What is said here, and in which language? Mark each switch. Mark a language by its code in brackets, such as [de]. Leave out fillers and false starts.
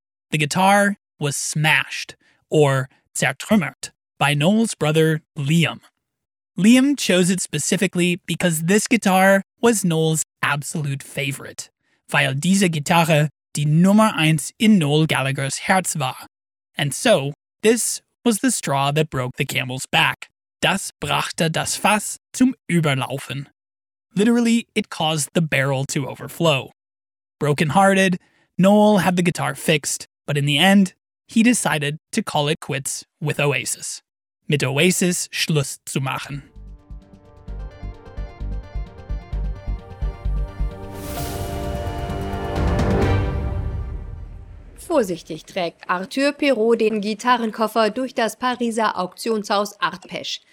[en] The guitar was smashed, or zertrümmert, by Noel's brother Liam. Liam chose it specifically because this guitar was Noel's absolute favorite, [de] weil diese Gitarre die Nummer 1 in Noel Gallagher's Herz war. [en] And so, this was the straw that broke the camel's back. [de] Das brachte das Fass zum Überlaufen. [en] Literally, it caused the barrel to overflow. Brokenhearted, Noel had the guitar fixed, but in the end, he decided to call it quits with Oasis. [de] Mit Oasis Schluss zu machen. Vorsichtig trägt Arthur Perrault den Gitarrenkoffer durch das Pariser Auktionshaus Art Pej.